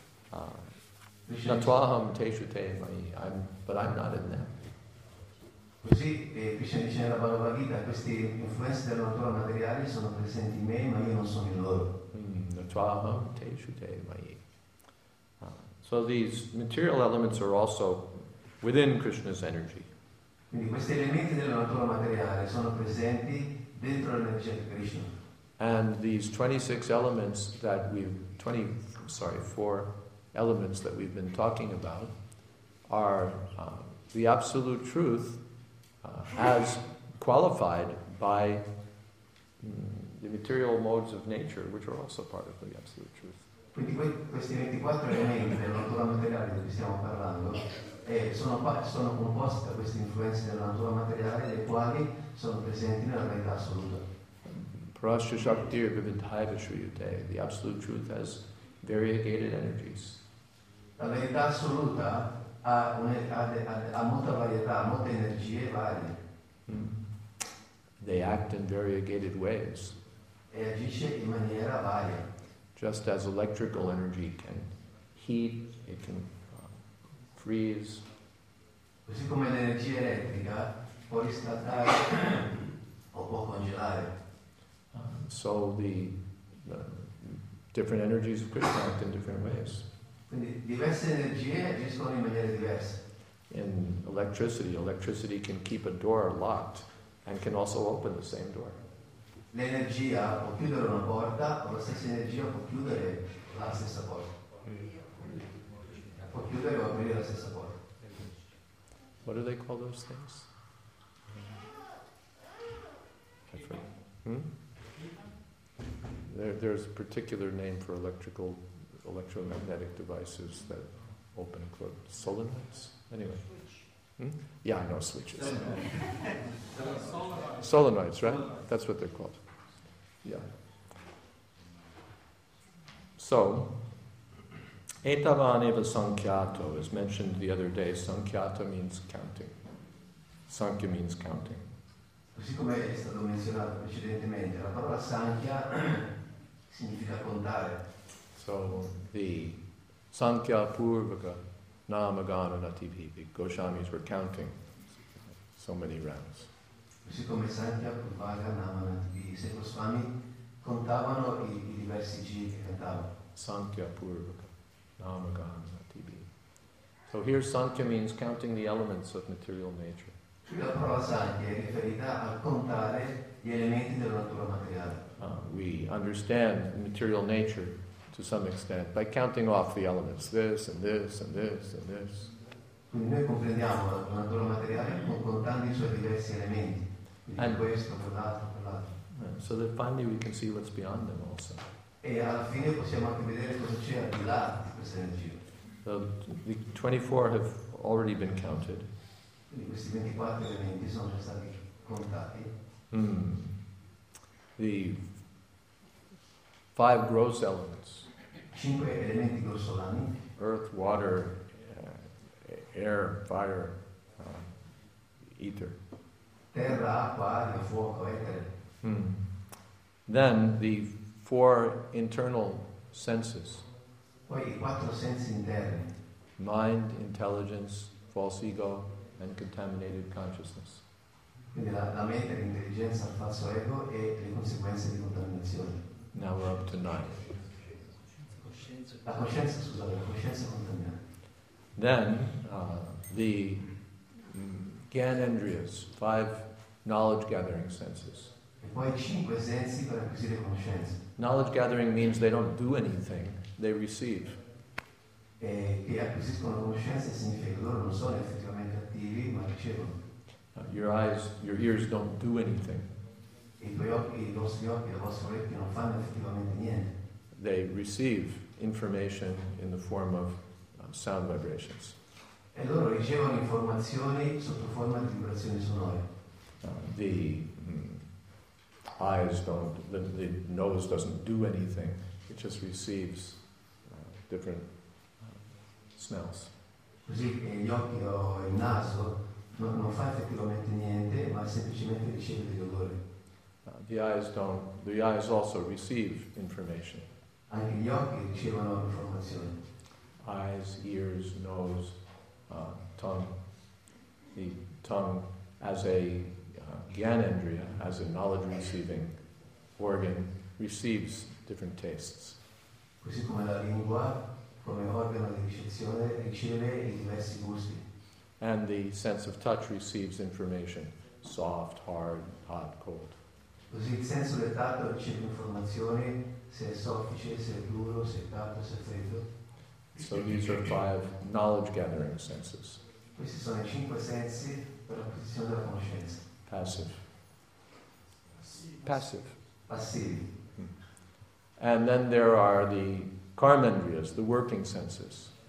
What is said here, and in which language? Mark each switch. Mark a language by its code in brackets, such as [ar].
[sa] Natvaham teshu te mayi, [en] but I'm not in them. [it] Così Krishna dice nella Bhagavad Gita, queste influenze della natura materiale sono presenti in me, ma io non sono in loro. [sa] Natvaham teshu te mayi. [en] So these material elements are also within Krishna's energy. [it] Quindi questi elementi della natura materiale sono presenti dentro l'energia di Krishna. [en] And these 26 elements that we've 20 sorry four elements that we've been talking about are the absolute truth as qualified by the material modes of nature, which are also part of the absolute truth. [it] Quindi questi 24 elementi della natura materiale di cui stiamo parlando sono composti da queste influenze della natura materiale le quali sono presenti nella verità assoluta. [sa] Prasya Shaktir Vivintaiva Shriyute, [en] the absolute truth has variegated energies. [it] La verità assoluta ha molta varietà, molte energie varie. [en] They act in variegated ways. [it] E agisce in maniera varia. [en] Just as electrical energy can heat, it can freeze. [it] Così come l'energia elettrica può riscaldare o può congelare. [en] So the different energies of Krishna act in different ways. [it] Quindi diverse energie agiscono in maniere diverse. [en] In electricity can keep a door locked and can also open the same door. [it] L'energia può chiudere una porta o la stessa energia può chiudere la stessa porta. Può chiudere o aprire la stessa porta. [en] What do they call those things? There's a particular name for electromagnetic devices that open and close. Solenoids? Anyway. Yeah, I know switches. Solenoids, right? That's what they're called. Yeah. So, [sa] etavaneva sankhyato [en] is mentioned the other day. Sankhyato means counting. Sankhya means counting. [it] Così come è stato menzionato precedentemente, la parola sankhya significa contare. [en] So the [sa] sankhya purvaka namagana nativi, [en] Goshamis were counting so many rounds. [it] Così come [sa] sankhya purvaka namagana nativi, [it] se Goswami contavano i diversi giri che cantavano. [sa] Sankhya Purvaka Namagana Tibi. [en] So here Sankhya means counting the elements of material nature. [it] La parola Sankhya è riferita a contare gli elementi della natura materiale. [en] We understand material nature to some extent by counting off the elements, this and this and this and this. [it] Quindi noi comprendiamo la natura materiale contando i suoi diversi elementi, quindi questo, quell'altro, quell'altro. [en] So that finally we can see what's beyond them also. [it] E alla fine possiamo anche vedere cosa c'è al di là di questa energia. [en] So the 24 have already been counted. [it] Quindi questi 24 elementi sono già stati contati. [en] The five gross elements. [it] Cinque elementi grossolani. [en] Earth, water, air, fire, ether. [it] Terra, acqua, aria, fuoco, etere. [en] Then the four internal senses. [it] Poi i quattro sensi interni. [en] Mind, intelligence, false ego, and contaminated consciousness. [it] Quindi la mente, l'intelligenza, il falso ego e le conseguenze di contaminazione. [en] Now we're up to nine. [it] La coscienza, scusate, la coscienza contaminata. [en] Then the Gyanendriyas, five knowledge gathering senses. [it] E poi cinque sensi per acquisire conoscenza. [en] Knowledge gathering means they don't do anything, they receive. [it] E che acquisiscono conoscenza significa che loro non sono effettivamente attivi, ma ricevono. [en] Your eyes, your ears don't do anything. [it] E i tuoi occhi, i vostri occhi, le vostre orecchie non fanno effettivamente niente. [en] They receive information in the form of sound vibrations. [it] E loro ricevono informazioni sotto forma di vibrazioni sonore. [en] The eyes don't, the nose doesn't do anything. It just receives different smells. [it] Così gli occhi o il naso non fa effettivamente niente, ma semplicemente riceve degli odori. [en] The eyes also receive information. [it] Anche gli occhi ricevono informazioni. [en] Eyes, ears, nose, tongue—the tongue as a Gyanendriya, as a knowledge-receiving organ, receives different tastes. [it] Così come la lingua, come organo di ricezione, riceve i diversi gusti. [en] And the sense of touch receives information: soft, hard, hot, cold. [it] Così il senso del tatto riceve informazioni: se è soffice, se è duro, se è caldo, se è freddo. [en] So these are five knowledge-gathering senses. [it] Questi sono i cinque sensi per l'acquisizione della conoscenza. [en] Passive. Passive. [it] Passivi. [en] And then there are the karmendriyas, the working senses.